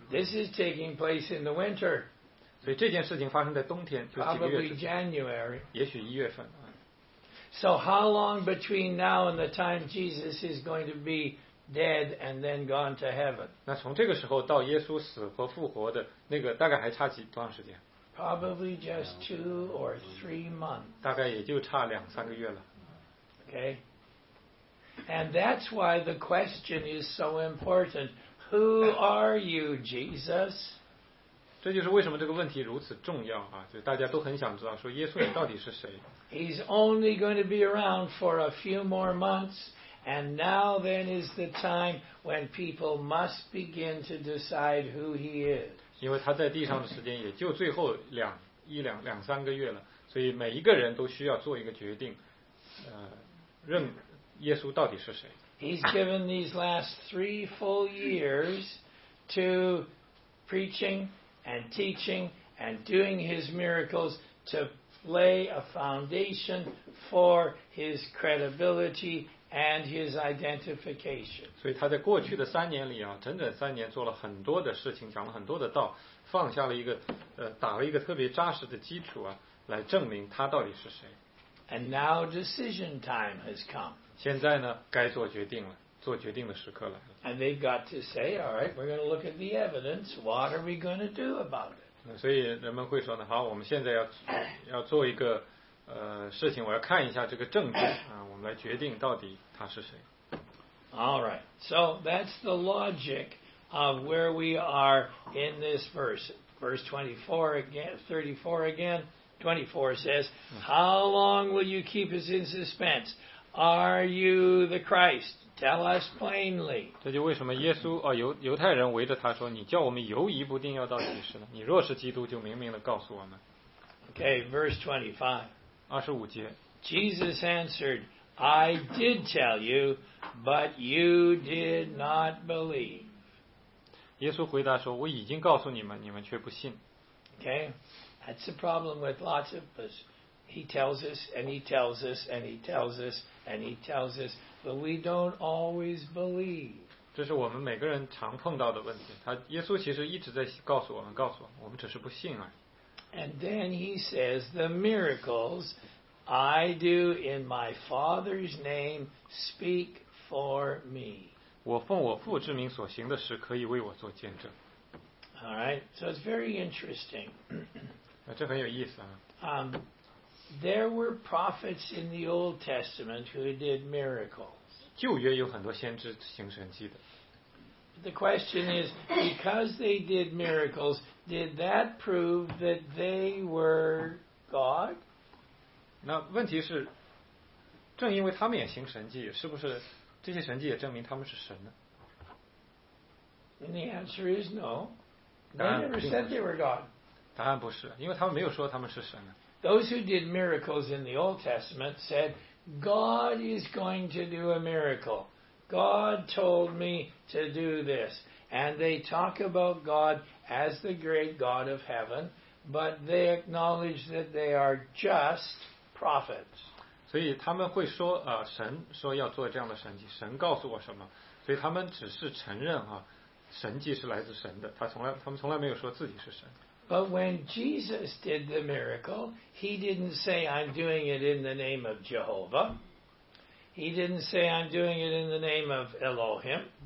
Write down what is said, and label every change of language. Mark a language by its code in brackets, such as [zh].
[en] This is taking place in the winter. [zh] 所以这件事情发生在冬天，就几个月。 [en] Probably January. [zh] 也许一月份。 [en] So how long between now and the time Jesus is going to be dead and then gone to heaven? [zh] 那从这个时候到耶稣死和复活的那个大概还差几多长时间？ [en] Probably just 2 or 3 months. [zh] 大概也就差两三个月了。 [en] Okay. And that's why the question is so important. Who are you, Jesus? [zh] 这就是为什么这个问题如此重要啊！就大家都很想知道，说耶稣你到底是谁？ [en] He's only going to be around for a few more months. And now then is the time when people must begin to decide who he is. [zh] 因为他在地上的时间也就最后两三个月了，所以每一个人都需要做一个决定，认耶稣到底是谁。 [en] He's given these last 3 full years to preaching and teaching and doing his miracles to lay a foundation for his credibility and his identification. [zh] 所以他在过去的三年里啊，整整三年做了很多的事情，讲了很多的道，放下了一个打了一个特别扎实的基础啊，来证明他到底是谁。 [en] And now decision time has come. [zh] 现在呢，该做决定了，做决定的时刻来了。 [en] And they've got to say, all right, we're going to look at the evidence. What are we going to do about it? [zh] 所以人们会说呢，好，我们现在要做一个事情，我要看一下这个证据啊，我们来决定到底他是谁。 [en] All right, so that's the logic of where we are in this verse 24 again, 34 again, 24 says, how long will you keep us in suspense? Are you the Christ? Tell us plainly. [zh] 这就为什么耶稣哦犹太人围着他说，你叫我们犹疑不定要到几时呢？你若是基督，就明明的告诉我们。 [en] Okay, verse 25. [zh] 25节。 [en] Jesus answered, I did tell you, but you did not believe. [zh] 耶稣回答说，我已经告诉你们，你们却不信。 [en] Okay, that's the problem with lots of us. He tells us, and he tells us, and he tells us, and he tells us, but we don't always believe. [zh] 这是我们每个人常碰到的问题。他耶稣其实一直在告诉我们，告诉我们，我们只是不信而已。 [en] And then he says, the miracles I do in my Father's name speak for me. [zh] 我奉我父之名所行的事，可以为我做见证。 [en] All right, so it's very interesting. [zh] 这很有意思啊。 [en] There were prophets in the Old Testament who did miracles. [zh] 旧约有很多先知行神迹的。 [en] The question is, because they did miracles, did that prove that they were God? [zh] 那问题是，正因为他们也行神迹，是不是这些神迹也证明他们是神呢？ [en] And the answer is no. They never said they were God. [zh] 答案不是，因为他们没有说他们是神呢。 [en] Those who did miracles in the Old Testament said, God is going to do a miracle. God told me to do this. And they talk about God as the great God of heaven, but they acknowledge that they are just prophets. [zh] 所以他们会说、神说要做这样的神迹，神告诉我什么，所以他们只是承认、神迹是来自神的，他们从来没有说自己是神。 [en] But when Jesus did the miracle, he didn't say, I'm doing it in the name of Jehovah. He didn't say, I'm doing it in the name of Elohim.